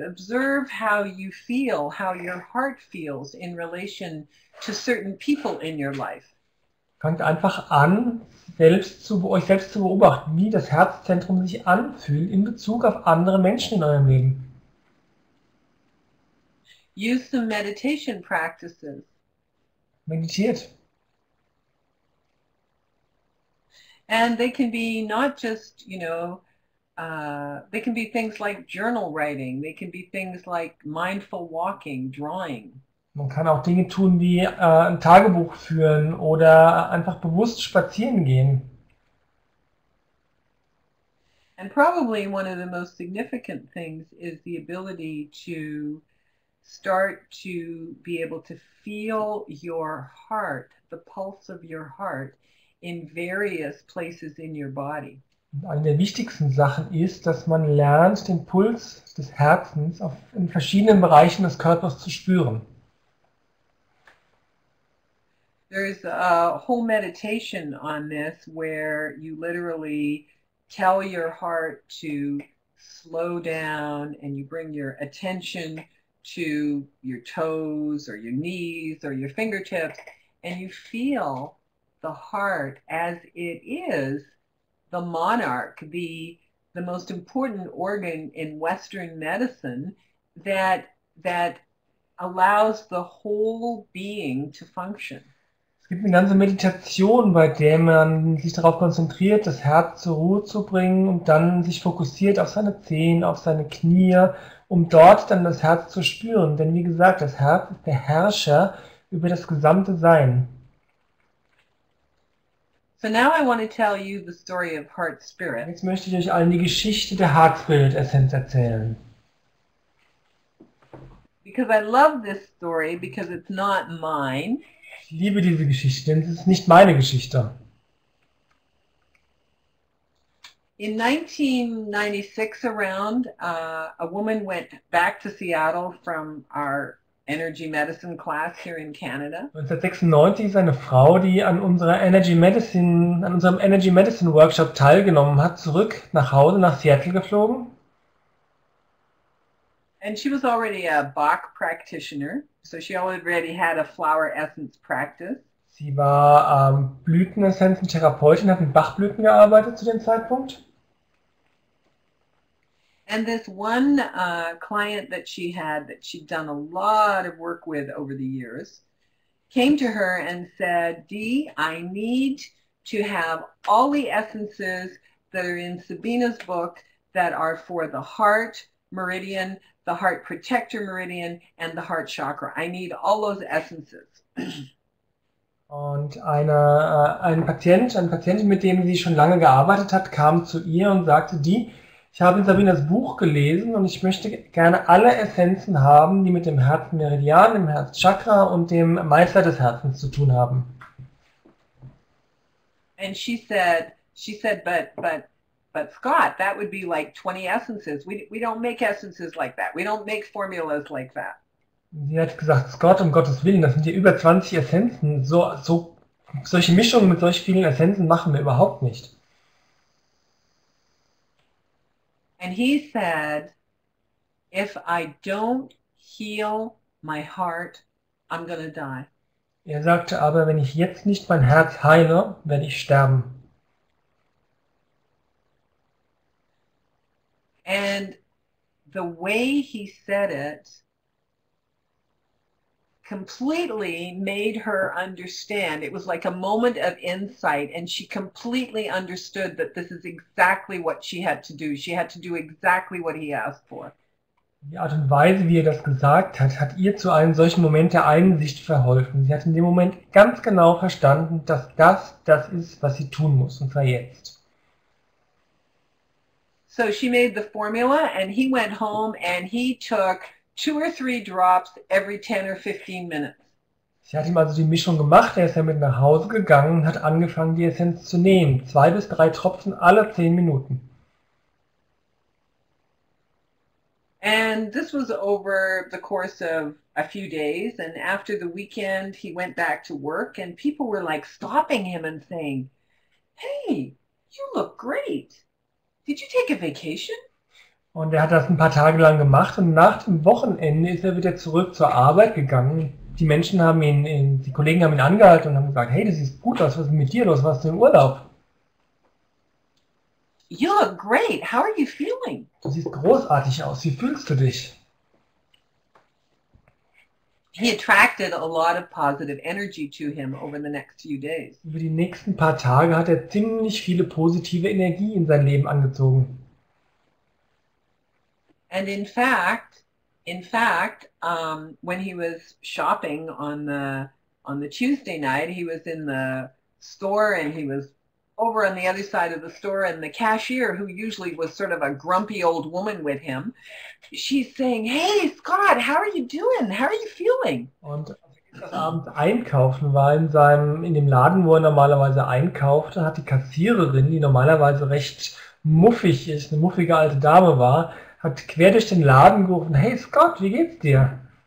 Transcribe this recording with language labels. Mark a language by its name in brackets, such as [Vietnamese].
[English] Observe how you feel, how your heart feels in relation to certain people in your life. [German] Fangt einfach an, selbst zu euch selbst zu beobachten, wie das Herzzentrum sich anfühlt in Bezug auf andere Menschen in eurem Leben. [English] Use some meditation practices. [German] Meditiert. [English] And they can be not just, they can be things like journal writing. They can be things like mindful walking, drawing. [German] Man kann auch Dinge tun wie ein Tagebuch führen oder einfach bewusst spazieren gehen. [English] And probably one of the most significant things is the ability to start to be able to feel your heart, the pulse of your heart, in various places in your body. [German] Und eine der wichtigsten Sachen ist, dass man lernt, den Puls des Herzens in verschiedenen Bereichen des Körpers zu spüren. [English] There's a whole meditation on this where you literally tell your heart to slow down and you bring your attention to your toes or your knees or your fingertips, and you feel the heart as it is the monarch, the most important organ in Western medicine that allows the whole being to function. [German] Es gibt eine ganze Meditation, bei der man sich darauf konzentriert, das Herz zur Ruhe zu bringen und dann sich fokussiert auf seine Zehen, auf seine Knie, um dort dann das Herz zu spüren. Denn wie gesagt, das Herz ist der Herrscher über das gesamte Sein. [English] So now I want to tell you the story of heart spirit. [German] Jetzt möchte ich euch allen die Geschichte der Herzbildessenz erzählen. [English] Because I love this story because it's not mine. [German] Ich liebe diese Geschichte, denn es ist nicht meine Geschichte. [English] In 1996 around, a woman went back to Seattle from our energy medicine class here in Canada. [German] 1996 ist eine Frau, die an unserer Energy Medicine, an unserem Energy Medicine Workshop teilgenommen hat, zurück nach Hause nach Seattle geflogen. [English] And she was already a Bach practitioner, so she already had a flower essence practice. [German] Sie war Blütenessenzentherapeutin, hat mit Bachblüten gearbeitet zu dem Zeitpunkt. [English] And this one client that she had, that she'd done a lot of work with over the years, came to her and said, "Dee, I need to have all the essences that are in Sabina's book that are for the heart meridian, the heart protector meridian, and the heart chakra. I need all those essences." [German] Und ein Patient, mit dem sie schon lange gearbeitet hat, kam zu ihr und sagte, die, ich habe in Sabinas Buch gelesen und ich möchte gerne alle Essenzen haben, die mit dem Herzmeridian, dem Herzchakra und dem Meister des Herzens zu tun haben. [English] And she said, but Scott, that would be like 20 essences. We don't make essences like that. We don't make formulas like that. [German] Sie hat gesagt, Scott, um Gottes Willen, das sind ja über 20 Essenzen. Solche Mischungen mit solch vielen Essenzen machen wir überhaupt nicht. [English] And he said, if I don't heal my heart, I'm gonna die. [German] Er sagte aber, wenn ich jetzt nicht mein Herz heile, werde ich sterben. [English] And the way he said it completely made her understand. It was like a moment of insight, and she completely understood that this is exactly what she had to do. She had to do exactly what he asked for. [German] Die Art und Weise, wie er das gesagt hat, hat ihr zu einem solchen Moment der Einsicht verholfen. Sie hat in dem Moment ganz genau verstanden, dass das das ist, was sie tun muss, und zwar jetzt. [English] So she made the formula and he went home and he took two or three drops every 10 or 15 minutes. [German] Sie hat ihm also die Mischung gemacht, er ist damit nach Hause gegangen und hat angefangen, die Essenz zu nehmen. 2 bis 3 Tropfen alle 10 Minuten. [English] And this was over the course of a few days. And after the weekend, he went back to work and people were like stopping him and saying, "Hey, you look great. Did you take a vacation?" [German] Und er hat das ein paar Tage lang gemacht und nach dem Wochenende ist er wieder zurück zur Arbeit gegangen. Die Menschen haben ihn, die Kollegen haben ihn angehalten und haben gesagt, hey, das ist gut, was ist mit dir los? Warst du im Urlaub? [English] "You look great. How are you feeling?" [German] Du siehst großartig aus, wie fühlst du dich? [English] He attracted a lot of positive energy to him over the next few days. [German] Über die nächsten paar Tage hat er ziemlich viele positive Energie in sein Leben angezogen. [English] And in fact, when he was shopping on the Tuesday night, he was in the store and he was over on the other side of the store, and the cashier, who usually was sort of a grumpy old woman with him, she's saying, "Hey, Scott, how are you doing? How are you feeling?" [German] Und als er gestern Abend einkaufen war in dem Laden, wo er normalerweise einkaufte, hat die Kassiererin, die normalerweise recht muffig ist, eine muffige alte Dame war, hat quer durch den Laden gerufen, hey Scott, wie geht's dir?